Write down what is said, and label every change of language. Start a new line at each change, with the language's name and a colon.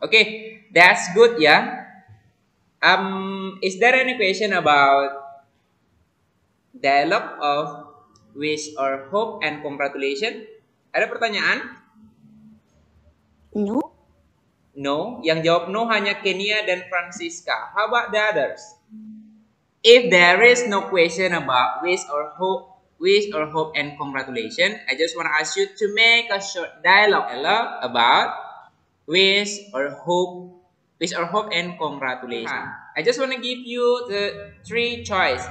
English: Okay, that's good, yeah. Is there any question about dialogue of wish or hope and congratulation?
Indonesian: Ada pertanyaan?
English: No.
Indonesian: No, yang jawab no hanya Kenia dan Francisca.
English: How about the others? If there is no question about wish or hope and congratulation, I just want to ask you to make a short dialogue about wish or hope and congratulation. I just want to give you the three choice.